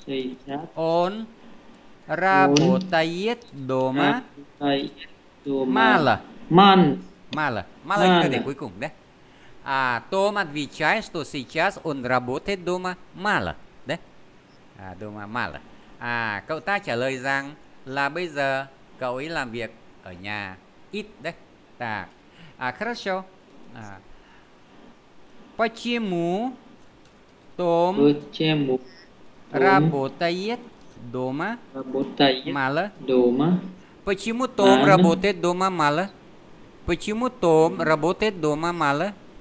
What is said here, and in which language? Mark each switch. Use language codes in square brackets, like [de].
[ru] Сейчас. Он... Работает дома. Мало. Ман. Мало. Мало это где [vi] cuối cùng, [ru] да? А Том отвечает, что сейчас он работает дома мало, да? А дома мало. [vi] А cậu ta trả lời rằng là bây giờ cậu ấy làm việc ở nhà ít, да? [ru] Так. А хорошо. А Почему Том работает дома? Работает мало. Дома. Почему Том работает дома мало? Почему Том работает дома мало?